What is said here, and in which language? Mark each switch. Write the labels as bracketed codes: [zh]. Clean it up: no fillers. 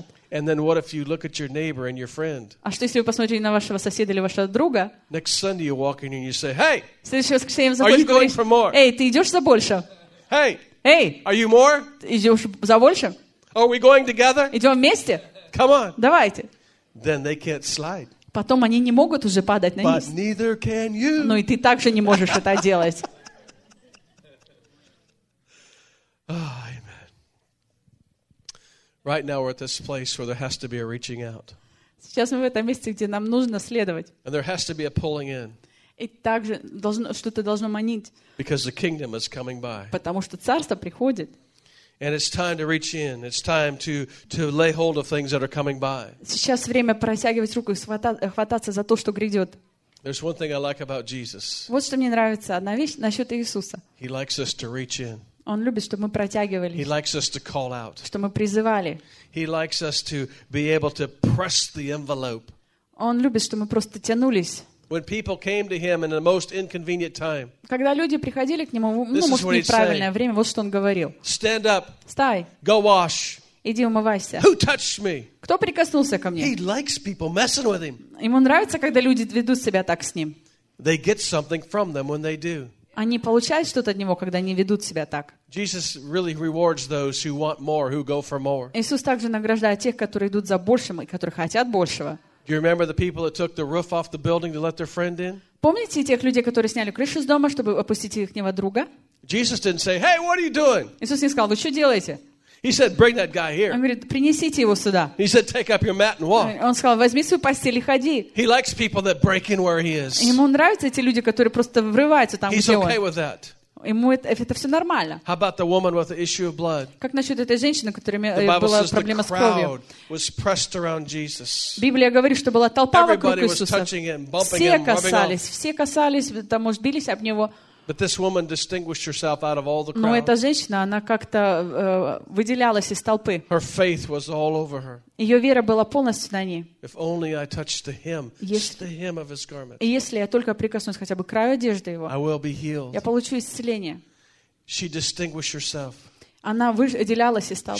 [en] And then what if you look at your neighbor and your friend? [ru] А что если вы посмотрите на вашего соседа или вашего друга? [en] Next Sunday you walk in and you say, "Hey, are you going for more? [ru] Эй, ты идешь за больше? [en] Hey, hey, are you more? [ru] Идешь за больше? [en] Are we going together? [ru] Идем вместе? [en] Come on, [ru] давайте. [en] Then they can't slide. [ru] Потом они не могут уже падать на низ. [en] But neither can you. [ru] Но и ты также не можешь это делать. [en] Right now we're at this place where there has to be a reaching out. [ru] Сейчас мы в этом месте, где нам нужно следовать. [en] And there has to be a pulling in. [ru] И также что-то должно манить. [en] Because the kingdom is coming by. [ru] Потому что царство приходит. [en] And it's time to reach in. It's time to lay hold of things that are coming by. [ru] Сейчас время протягивать руку и хвататься за то, что грядет. [en] There's one thing I like about Jesus. [ru] Вот что мне нравится одна вещь насчет Иисуса. [en] He likes us to reach in. [ru] Он любит, чтобы мы протягивались. [en] He likes us to call out. [ru] Чтобы мы призывали. [en] He likes us to be able to press the envelope. [ru] Он любит, чтобы мы просто тянулись. [en] When people came to him in the most inconvenient time. [ru] Когда люди приходили к нему, может, неправильное время, вот что он говорил. [en] Stand up. [ru] Встай. [en] Go wash. [ru] Иди умывайся. [en] Who touched me? [ru] Кто прикоснулся ко мне? [en] He likes people messing with him. [ru] Ему нравится, когда люди ведут себя так с ним. [en] They get something from them when they do. [ru] Они получают что-то от Него, когда они ведут себя так. Иисус также награждает тех, которые идут за большим и которые хотят большего. Помните тех людей, которые сняли крышу с дома, чтобы опустить их него друга? Иисус не сказал, вы что делаете? [en] He said, "Bring that guy here." [ru] Он говорит, принесите его сюда. [en] He said, "Take up your mat and walk." [ru] Он сказал, возьми свою постель и ходи. [en] He likes people that break in where he is. [ru] Ему нравятся эти люди, которые просто врываются там, [en] He's [ru] где [en] okay [ru] он. [en] He's okay with that. [ru] Ему это все нормально. [en] How about the woman with the issue of blood? [ru] Как насчет этой женщины, которой была проблема с кровью? [en] The Bible says the crowd was pressed around Jesus. [ru] Библия говорит, что была толпа вокруг Иисуса. [en] Everybody was touching him, bumping him, rubbing off. [ru] Все касались, там, может, бились об него. [en] But this woman distinguished herself out of all the crowd. [ru] Но эта женщина, она как-то выделялась из толпы. [en] Her faith was all over her. [ru] Ее вера была полностью на ней. [en] If only I touched the hem, the hem of his garment. [ru] Если я только прикоснусь хотя бы к краю одежды его, [en] I will be healed. [ru] Я получу исцеление. [en] She distinguished herself. [ru] Она выделялась из толпы.